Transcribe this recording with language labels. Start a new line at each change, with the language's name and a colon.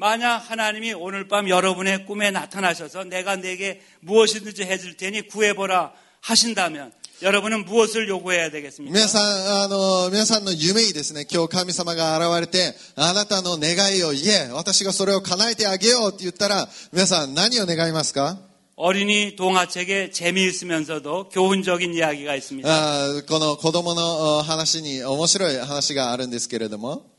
Japanese: 皆さん、皆さんの夢にですね、今日神様が現れて、あなたの願いを言え、私がそれを叶えてあげようって言ったら、皆さん何を願いますか
Korean: 어린이동화책에재미있으면서도교훈적인이야기가있습니다
Japanese: この子供の話に面白い話があるんですけれども